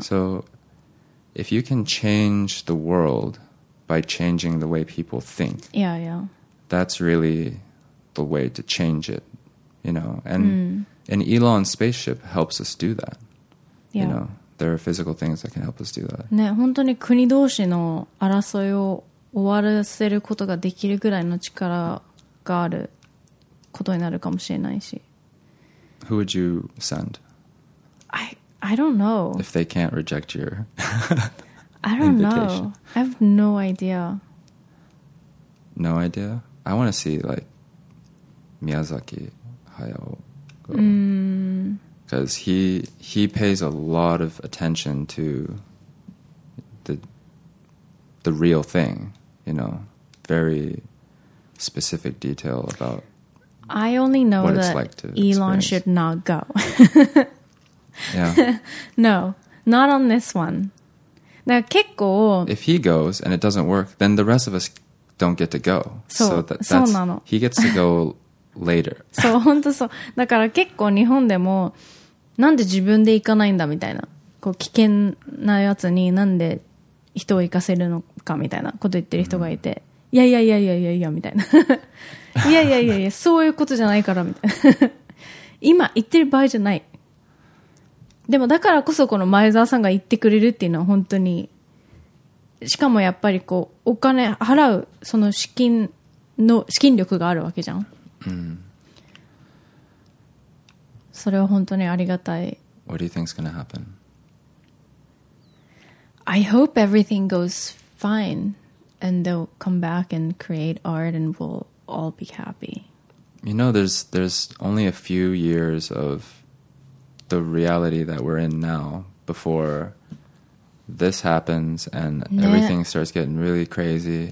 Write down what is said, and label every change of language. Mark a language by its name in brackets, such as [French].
[English] So if you can change the world by changing the way people think. Yeah, yeah. That's really the way to change it, you know. And an Elon's spaceship helps us do that. Yeah. You know, there are physical things that can help us do that. [Japanese] ね、本当に国同士の争いを終わらせることができるぐらいの力があることになるかもしれないし。 [English] Who would you send? I don't know. If they can't reject your... I don't know. I have no idea. No idea? I want to see, like, Miyazaki Hayao go. Because he pays a lot of attention to the real thing, you know, very specific detail about I only know what that it's like to Elon experience. Should not go. Yeah. No, not on this one. [Japanese] だから結構 [English] If he goes and it doesn't work, then the rest of us don't get to go. [Japanese] そう、 [English] so that, [Japanese] そうなの。 [English] He gets to go later. [Japanese] そう、本当そう。だから結構日本でも、なんで自分で行かないんだみたいな。こう危険なやつになんで人を行かせるのかみたいなこと言ってる人がいて、いやいやいやいやいやいやみたいな。いやいやいやいや、そういうことじゃないからみたいな。今行ってる場合じゃない。でもだからこそこの前澤さんが言ってくれるっていうのは本当にしかもやっぱりこうお金払うその資金の資金力があるわけじゃん、うん、それは本当にありがたい [English] What do you think is going to happen? I hope everything goes fine and they'll come back and create art and we'll all be happy You know there's only a few years ofthe reality that we're in now before this happens and everything starts getting really crazy.